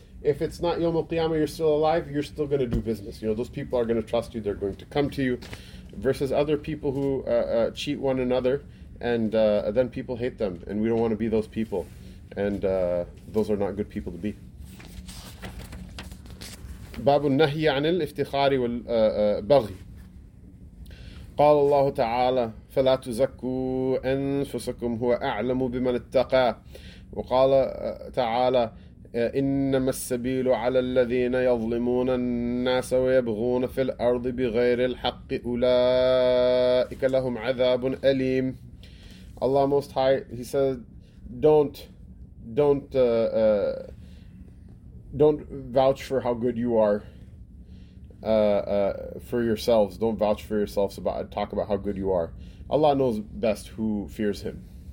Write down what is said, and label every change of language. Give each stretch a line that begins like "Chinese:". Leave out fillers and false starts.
English: If it's not Yawm al-Qiyamah, you're still alive, you're still going to do business. You know, those people are going to trust you. They're going to come to you. Versus other people who cheat one another, and then people hate them, and we don't want to be those people, and those are not good people to be.
Arabic: باب النهي عن الافتخار والبغي. قال الله تعالى فلا تزكوا أنفسكم هو أعلم بمن اتقى. وقال تعالى إنما السبيل على الذين يظلمون الناس ويبغون في الأرض بغير الحق أولئك لهم عذاب أليم.
English: Allah Most High, He said, don't vouch for how good you are for yourselves. Don't vouch for yourselves talk about how good you are. Allah knows best who fears Him.